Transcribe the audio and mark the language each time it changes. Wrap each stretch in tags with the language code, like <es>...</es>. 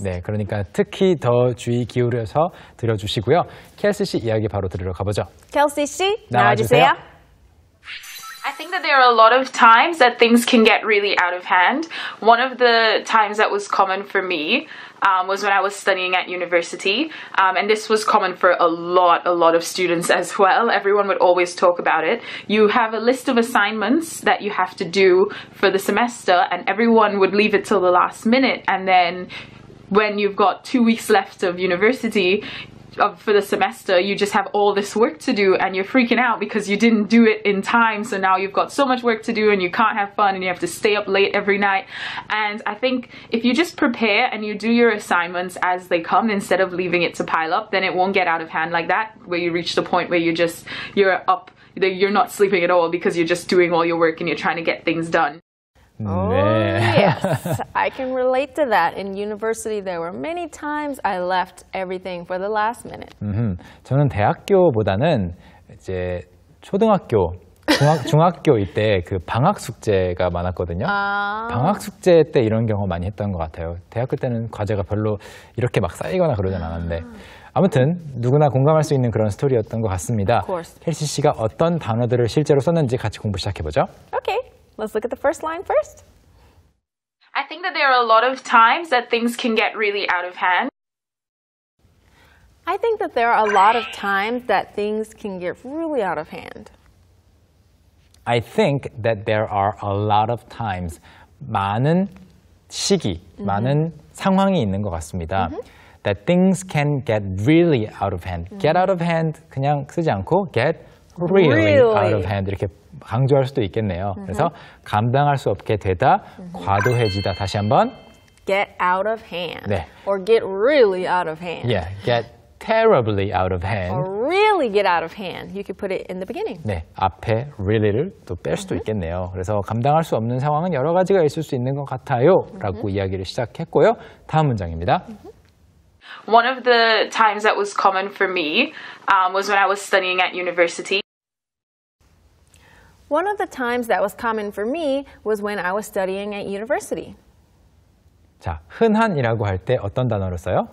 <ko>네, 그러니까 특히 더 주의 기울여서 들어주시고요. Kelsey 씨 이야기 바로 들으러 가보죠. Kelsey 씨, 나와주세요.</ko> <en>I think that there are a lot of times that things can get really out of hand. One of the times that was common for me was when I was studying at university. And this was common for a lot of students as well. Everyone would always talk about it. You have a list of assignments that you have to do for the semester, and everyone would leave it till the last minute. And then when you've got 2 weeks left of university, for the semester, you just have all this work to do and you're freaking out because you didn't do it in time. So now you've got so much work to do and you can't have fun and you have to stay up late every night. And I think if you just prepare and you do your assignments as they come instead of leaving it to pile up, then it won't get out of hand like that, where you reach the point where you're up, you're not sleeping at all because you're just doing all your work and you're trying to get things done. Oh, yes. I can relate to that. In university, there were many times I left everything for the last minute.</en> <ko>저는 대학교보다는 이제 초등학교, 중학교일 때 그 방학 숙제가 많았거든요. 방학 숙제 때 이런 경험 많이 했던 것 같아요. 대학교 때는 과제가 별로 이렇게 막 쌓이거나 그러진 않았는데. 아무튼 누구나 공감할 수 있는 그런 스토리였던 것 같습니다. 켈시 씨가 어떤 단어들을 실제로 썼는지 같이 공부 시작해보죠.</ko> <en>Okay. Let's look at the first line first. I think that there are a lot of times that things can get really out of hand. I think that there are a lot of times that things can get really out of hand. I think that there are a lot of times.</en> <ko>많은 시기, mm-hmm. 많은 상황이 있는 것 같습니다. Mm-hmm.</ko> <en>That things can get really out of hand. Mm-hmm. Get out of hand</en> <ko>그냥 쓰지 않고</ko> <en>get really out of hand</en> <ko>이렇게 강조할 수도 있겠네요.</ko> <en>Mm-hmm.</en> <ko>그래서 감당할 수 없게 되다, mm-hmm. 과도해지다. 다시 한번.</ko> <en>Get out of hand.</en> <ko>네.</ko> <en>Or get really out of hand. Yeah. Get terribly out of hand. Or really get out of hand. You could put it in the beginning.</en> <ko>네. 앞에 really를 또 뺄 수도 mm-hmm. 있겠네요. 그래서 감당할 수 없는 상황은 여러 가지가 있을 수 있는 것 같아요. Mm-hmm. 라고 이야기를 시작했고요. 다음 문장입니다. Mm-hmm.</ko> <en>One of the times that was common for me was when I was studying at university. One of the times that was common for me was when I was studying at university.</en> <ko>자, 흔한이라고 할 때 어떤 단어로 써요?</ko>